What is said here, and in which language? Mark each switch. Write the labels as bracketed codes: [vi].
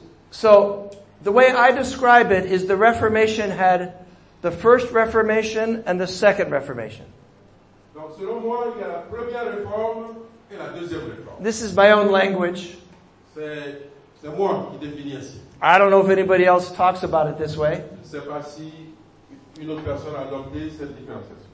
[en] So, the way I describe it is the Reformation had the First Reformation and the Second Reformation. [fr] Donc, selon moi, il y a la première réforme et la deuxième réforme. [en] This is my own language. [fr] C'est moi qui définis ainsi. [en] I don't know if anybody else talks about it this way. [fr] Je ne sais pas si une autre personne a adopté cette différence.